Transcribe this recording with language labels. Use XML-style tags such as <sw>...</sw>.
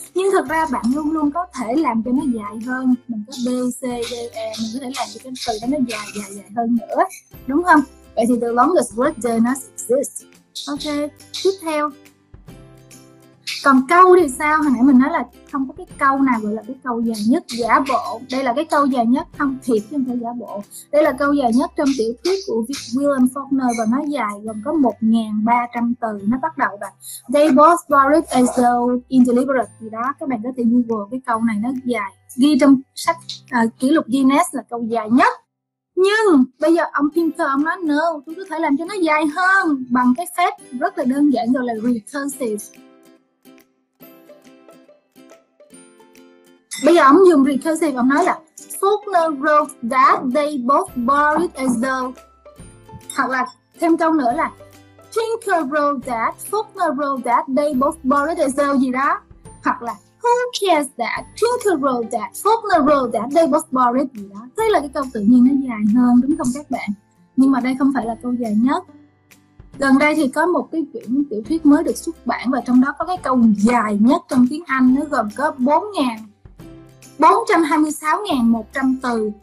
<vi>Nhưng thực ra bạn luôn luôn có thể làm cho nó dài hơn. Mình có B, C, D, E, mình có thể làm cho cái từ đó nó dài hơn nữa, đúng không? Vậy thì</vi> <en>the longest word does not exist.</en> <vi>Ok, tiếp theo. Còn câu thì sao? Hồi nãy mình nói là không có cái câu nào gọi là cái câu dài nhất, giả bộ. Đây là cái câu dài nhất không thiệt, không phải giả bộ. Đây là câu dài nhất trong tiểu thuyết của William Faulkner, và nó dài gồm có 1.300 từ. Nó bắt đầu là</vi> <en>they both worried as though in deliberate</en> <vi>gì đó. Các bạn có thể Google cái câu này, nó dài. Ghi trong sách kỷ lục Guinness là câu dài nhất. Nhưng bây giờ ông Pinker ông nói</vi> <en>no,</en> <vi>tôi có thể làm cho nó dài hơn bằng cái phép rất là đơn giản gọi là recursive. Bây giờ ông dùng recursive, ông nói là</vi> <en>Faulkner wrote that they both borrowed as though.</en> <vi>Hoặc là thêm câu nữa là</vi> <en>Tinker wrote that, Faulkner wrote that they both borrowed as though</en> <vi>gì đó. Hoặc là</vi> <en>who cares that, Tinker wrote that, Faulkner wrote that they both borrowed</en> <vi>gì đó. Thế là cái câu tự nhiên nó dài hơn, đúng không các bạn? nhưng mà đây không phải là câu dài nhất. Gần đây thì có một cái quyển tiểu thuyết mới được xuất bản, và trong đó có cái câu dài nhất trong tiếng Anh, nó gồm có 426.100 từ.</vi>